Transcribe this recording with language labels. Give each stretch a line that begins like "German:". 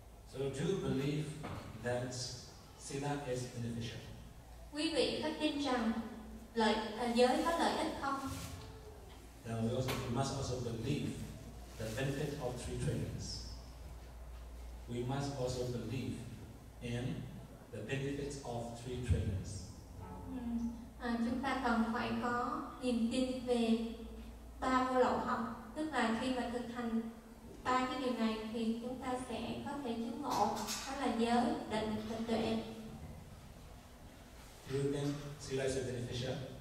English: So do you believe that sila is beneficial?
Vietnamese: Quý vị có tin rằng giới có lợi ích không?
English: Then we must also believe the benefit of three trainings. We must also believe in the benefits of three trainings.
Vietnamese: Chúng ta cần phải có niềm tin về ba vô lậu học, tức là khi mà thực hành ba cái điều này thì chúng ta sẽ có thể chứng ngộ, đó là giới, định, thành tuệ.
English: You think sila is beneficial?